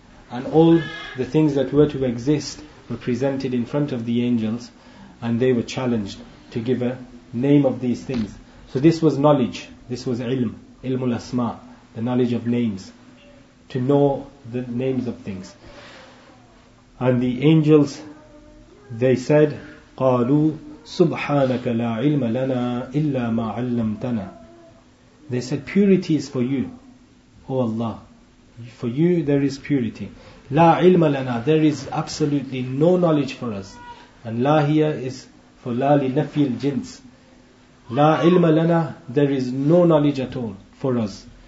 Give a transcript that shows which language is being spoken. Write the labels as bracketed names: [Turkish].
[English] And all the things that were to exist were presented in front of the angels, and they were challenged to give a name of these things. So this was knowledge, this was ilm, ilmul asma, the knowledge of names, to know the names of things. And the angels, they said, [Arabic] قَالُوا سُبْحَانَكَ لَا عِلْمَ لَنَا إِلَّا مَا عَلَّمْتَنَا. [English] They said, purity is for you, O Allah. For you there is purity. La ilma lana, there is absolutely no knowledge for us. And la here is for la li nafi al jins. La ilma lana, there is no knowledge at all for us.